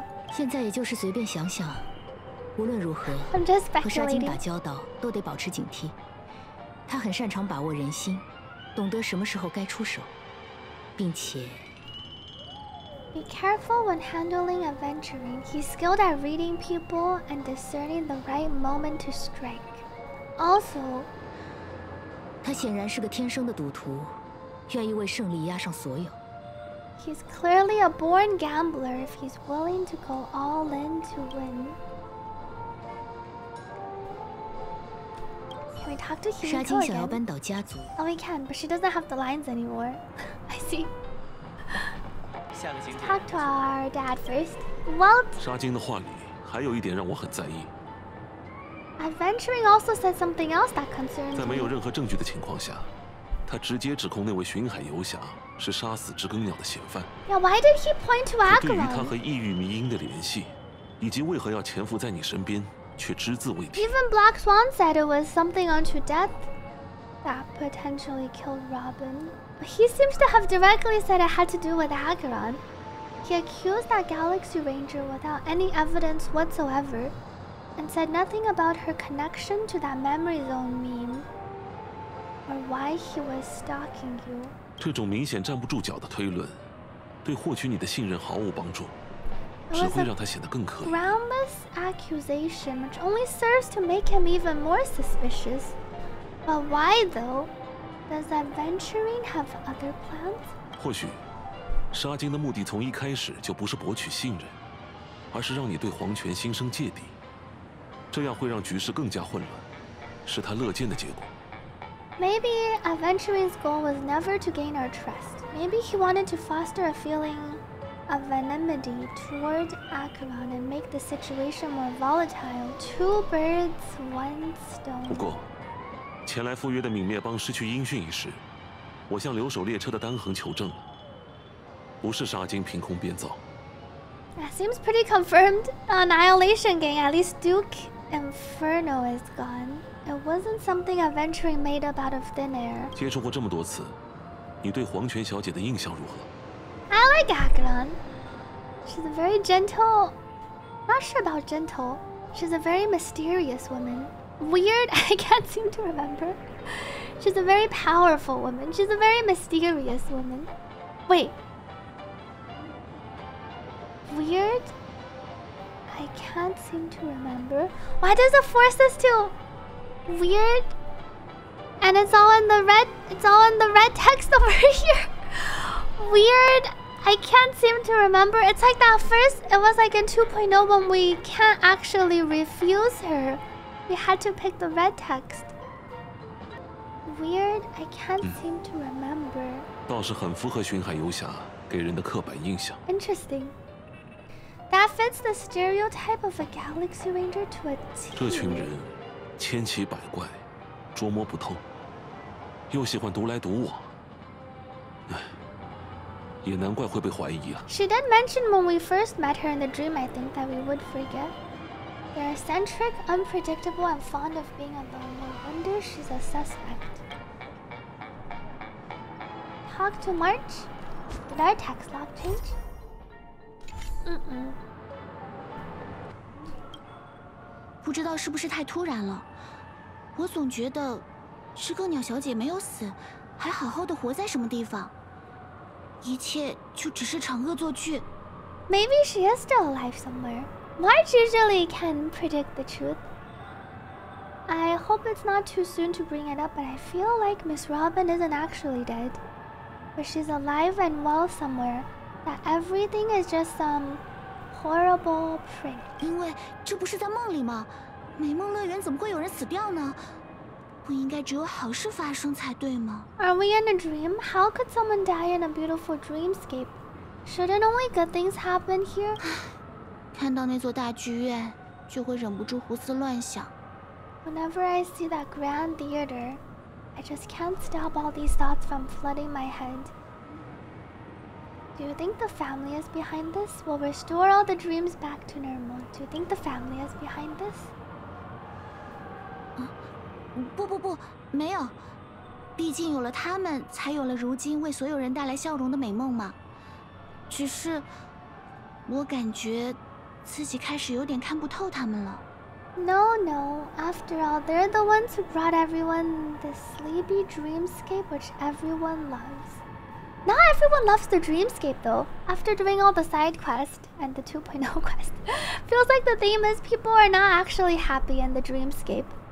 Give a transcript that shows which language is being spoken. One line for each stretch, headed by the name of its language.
Chinese: 现在也就是随便想想，无论如何，和沙金打交道都得保持警惕。他很擅长把握人心，懂得什么时候该出手，并且。
English: Be careful when handling adventuring. He's skilled at reading people and discerning the right moment to strike. Also,
Chinese: 他显然是个天生的赌徒，愿意为胜利押上所有。
English: He's clearly a born gambler if he's willing to go all in to win. Can we talk to Hiko again?
Chinese: 想要扳倒家族。
English: Oh, we can, but she doesn't have the lines anymore. I see. Let's talk to our dad first. Welt.
Chinese: 沙金的话里还有一点让我很在意。
English: Adventuring also said something else that concerns me.
Chinese: 在没有任何证据的情况下，他直接指控那位巡海游侠。是杀死知更鸟的嫌犯。
English: Yeah, why did he point to Acheron?
Chinese: 对于他和异域迷音的联系，以及为何要潜伏在你身边，却只字未提。
English: Even Black Swan said it was something unto death that potentially killed Robin. But he seems to have directly said it had to do with Acheron. He accused that Galaxy Ranger without any evidence whatsoever, and said nothing about her connection to that Memory Zone meme, or why he was stalking you.
Chinese: 这种明显站不住脚的推论，对获取你的信任毫无帮助，只会让他显得更可疑。
English: Groundless accusation, which only serves to make him even more suspicious. But why, though? Does Aventurine have other plans?
Chinese: 或许，沙金的目的从一开始就不是博取信任，而是让你对皇权心生芥蒂，这样会让局势更加混乱，是他乐见的结果。
English: Maybe Aventurine's goal was never to gain our trust. Maybe he wanted to foster a feeling of enmity toward Acheron and make the situation more volatile. Two birds, one stone.
Chinese: 不过，前来赴约的泯灭帮失去音讯一事，我向留守列车的单恒求证，不是沙金凭空编造。
English: That seems pretty confirmed. Annihilation gang. At least Duke Inferno is gone. It wasn't something Aventurine made up out of thin air.
Chinese: 接触过这么多次，你对黄泉小姐的印象如何
English: ？I like Acheron. She's a very gentle. Not sure about gentle. She's a very mysterious woman. weird. I can't seem to remember. She's a very powerful woman. She's a very mysterious woman. Wait. Weird? I can't seem to remember. Why does it force us to... Weird? And it's all in the red... It's all in the red text over here. Weird. I can't seem to remember. It's like that first... It was like in 2.0 when we can't actually refuse her. We had to pick the red text. Weird, I can't seem to remember.
Chinese: 倒是很符合巡海游侠给人的刻板印象。
English: Interesting. That fits the stereotype of a galaxy ranger to a T.
Chinese: 这群人千奇百怪，捉摸不透，又喜欢独来独往。唉，也难怪会被怀疑啊。
English: She did mention when we first met her in the dream, I think that we would forget. They're eccentric, unpredictable, and fond of being alone. No wonder she's a suspect. Talk to March? Did our text log change? Mm-mm.
Chinese: 不知道是不是太突然了。我总觉得知更鸟小姐没有死，还好好的活在什么地方。一切就只是场恶作剧。
English: Maybe she is still alive somewhere. March usually can predict the truth. I hope it's not too soon to bring it up, but I feel like Miss Robin isn't actually dead. But she's alive and well somewhere. That everything is just some horrible prank.
Chinese: 因为这不是在梦里吗？美梦乐园怎么会有人死掉呢？不应该只有好事发生才对吗？
English: Are we in a dream? How could someone die in a beautiful dreamscape? Shouldn't only good things happen here?
Chinese: 看到那座大剧院，就会忍不住胡思乱想。
English: Whenever I see that grand theater, I just can't stop all these thoughts from flooding my head. Do you think the family is behind this? We'll restore all the dreams back to normal. Do you think the family is behind this?
Chinese: 不不不，没有。毕竟有了他们，才有了如今为所有人带来笑容的美梦嘛。只是，我感觉。自己开始有点看不透他们了。
English: No, no. After all, they're the ones who brought everyone the sleepy dreamscape which everyone loves. Not everyone loves the dreamscape, though. After doing all the side quests and the 2.0 quest, feels like the theme is people are not actually happy in the dreamscape.